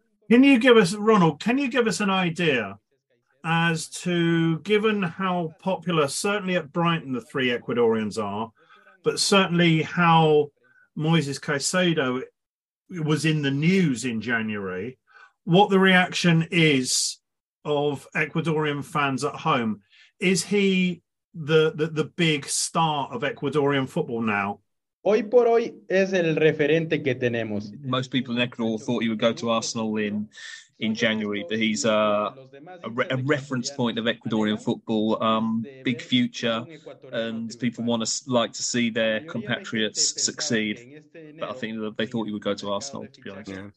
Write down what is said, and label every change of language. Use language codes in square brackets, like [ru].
[en] Can you give us, Ronald, can you give us an idea as to, given how popular, certainly at Brighton, the three Ecuadorians are, but certainly how Moises Caicedo was in the news in January, what the reaction is of Ecuadorian fans at home. Is he the big star of Ecuadorian football now? [es] Hoy por hoy es el referente que tenemos. [en] Most people in Ecuador thought he would go to Arsenal in January, but he's a reference point of Ecuadorian football, big future, and people want to like to see their compatriots succeed. But I think that they thought he would go to Arsenal, to be honest.